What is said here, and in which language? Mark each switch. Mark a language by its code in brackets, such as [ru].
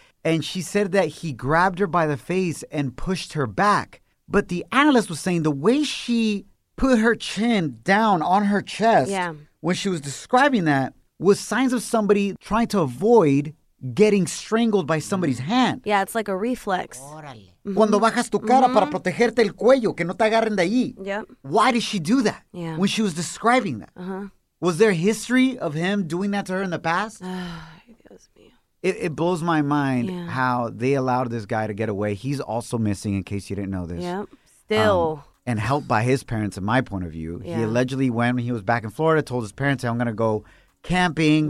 [en] And she said that he grabbed her by the face and pushed her back. But the analyst was saying the way she put her chin down on her chest when she was describing that was signs of somebody trying to avoid getting strangled by somebody's hand. Yeah, it's like a reflex. Mm-hmm. [es] Cuando bajas tu cara mm-hmm. para protegerte el cuello, que no te agarren de ahí. [en] Yep. Why did she do that yeah. when she was describing that? Uh-huh. Was there history of him doing that to her in the past? It blows my mind yeah. how they allowed this guy to get away. He's also missing, in case you didn't know this. Yep. Still. And helped by his parents, in my point of view. Yeah. He allegedly went when he was back in Florida, told his parents, hey, I'm going to go camping,